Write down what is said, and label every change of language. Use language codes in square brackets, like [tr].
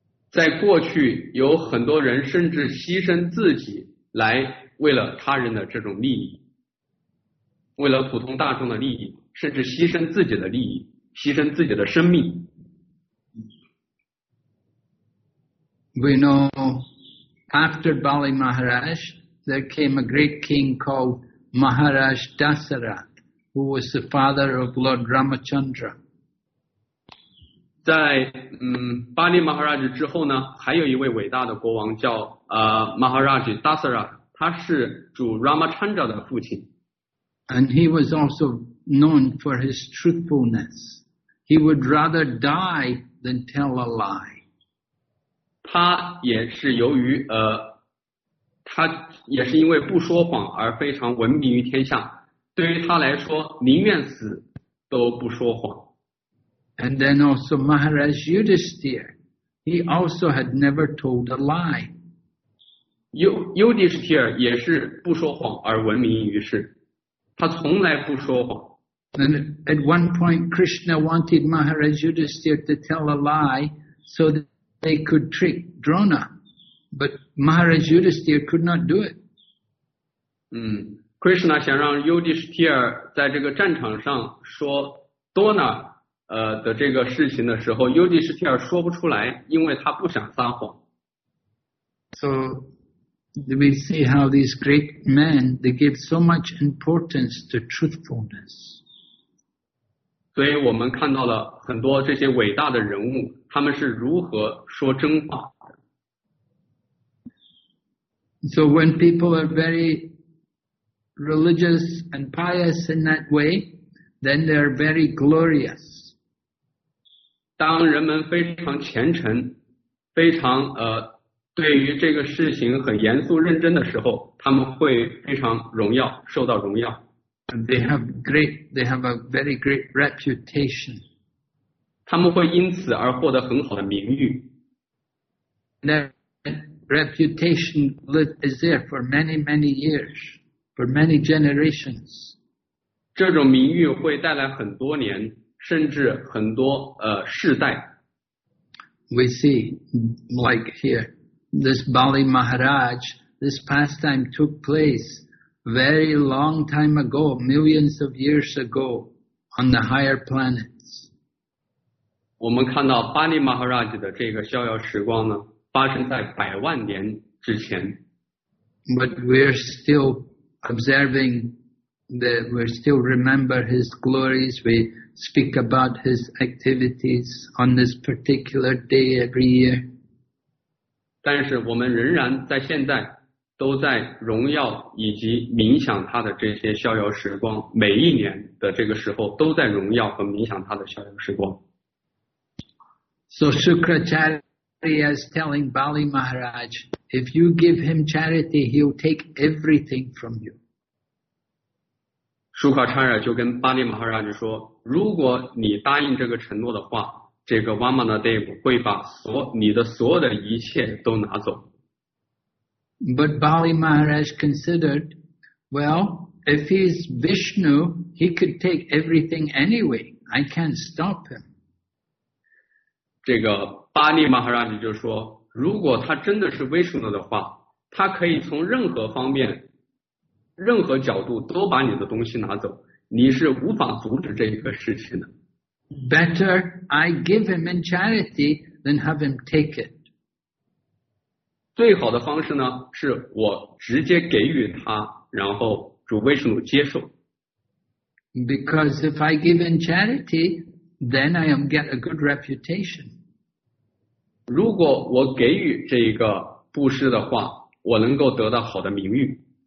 [zh] 在过去有很多人甚至牺牲自己来为了他人的这种利益，为了普通大众的利益，甚至牺牲自己的利益，牺牲自己的生命。 [en] We know after Bali Maharaj, there came a great king called Maharaj Dasarath, who was the father of Lord Ramachandra. [zh] 在巴利马哈拉什之后呢，还有一位伟大的国王叫Maharaj Dasarath, 他是主 Ramachandra 的父亲。 [en] And he was also known for his truthfulness. He would rather die than tell a lie. [zh] 他也是由于他也是因为不说谎而非常闻名于天下，对于他来说宁愿死都不说谎。 [en] And then also Maharaj Yudhisthira, he also had never told a lie. [zh] Yudhisthira 也是不说谎而闻名于世，他从来不说谎。 [en] And at one point Krishna wanted Maharaj Yudhisthira to tell a lie so thatThey could trick Drona, but Maharaj Yudhisthira could not do it. [zh] Krishna 想让 Yudhisthira 在这个战场上说 Drona 的这个事情的时候， Yudhisthira 说不出来，因为他不想撒谎。 [en] So we see how these great men, they give so much importance to truthfulness. [zh] 所以我们看到了很多这些伟大的人物，他们是如何说真话的。 [en] So when people are very religious and pious in that way, then they are very glorious. [zh] 当人们非常虔诚，非常对于这个事情很严肃认真的时候，他们会非常荣耀，受到荣耀。 [en] They have a very great reputation. [zh] 他们会因此而获得很好的名誉。 [en] That reputation is there for many, many years, for many generations. [zh] 这种名誉会带来很多年，甚至很多世代。 [en] We see, like here, this Bali Maharaj, this pastime took place. Very long time ago, millions of years ago, on the higher planets. [zh] 我们看到巴利马哈拉吉的这个逍遥时光呢，发生在百万年之前。 [en] But we're still observing that we still remember his glories. We speak about his activities on this particular day every year. [zh] 但是我们仍然在现在。都在荣耀以及冥想他的这些逍遥时光，每一年的这个时候都在荣耀和冥想他的逍遥时光。 [en] So Shukracharya is telling Bali Maharaj, if you give him charity, he'll take everything from you. [zh] Shukracharya 就跟 Bali Maharaj 说，如果你答应这个承诺的话，这个 Vamanadev 会把你的所有的一切都拿走。 [en] But Bali Maharaj considered, well, if he's Vishnu, he could take everything anyway. I can't stop him. [zh] 这个巴利马哈拉吉就说，如果他真的是 Vishnu 的话，他可以从任何方面、任何角度都把你的东西拿走，你是无法阻止这个事情的。 [en] Better I give him in charity than have him take it. [zh] 最好的方式呢，是我直接给予他，然后主威士努接受。 [en] Because if I give in charity, then I am get a good reputation. [zh] 如果我给予这个布施的话，我能够得到好的名誉。